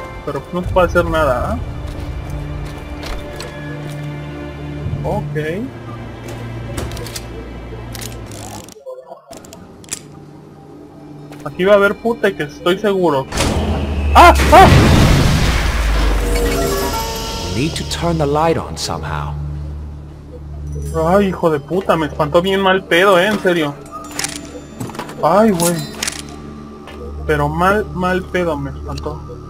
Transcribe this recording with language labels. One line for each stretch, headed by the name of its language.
Spanish: pero no puedo hacer nada, ¿eh? Ok. Aquí va a haber puta, que estoy seguro. ¡Ah! ¡Ah!
English: Need to turn the light on somehow.
Spanish: Ay, hijo de puta, me espantó bien mal pedo, ¿eh? En serio. Ay, güey. Pero mal, mal pedo me espantó.